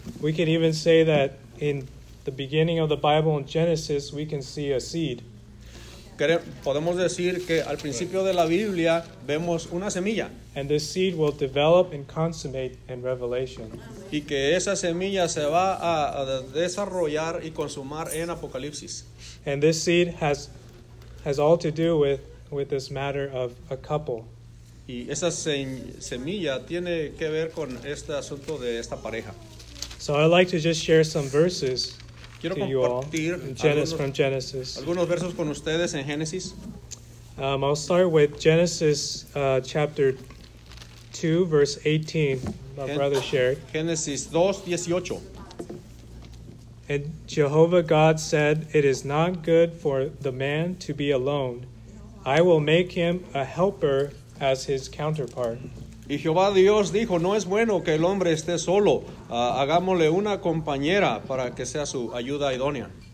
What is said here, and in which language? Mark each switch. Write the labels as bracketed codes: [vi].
[en] We can even say that in the beginning of the Bible in Genesis, we can see a seed. [es] Podemos decir que al principio de la Biblia vemos una semilla. [en] And this seed will develop and consummate in Revelation. [es] Y que esa semilla se va a desarrollar y consumar en Apocalipsis. [en] And this seed has all to do with this matter of a couple. [es] Y esa semilla tiene que ver con este asunto de esta pareja. [en] So I'd like to just share some verses [es] quiero [en] to you all in from Genesis. [es] Algunos versos con ustedes en Génesis. [en] I'll start with Genesis chapter 2, verse 18, my brother shared. [es] Génesis 2, 18. [en] And Jehovah God said, "It is not good for the man to be alone. I will make him a helper as his counterpart." [es] Y Jehová Dios dijo, "No es bueno que el hombre esté solo. Hagámosle una compañera para que sea su ayuda idónea."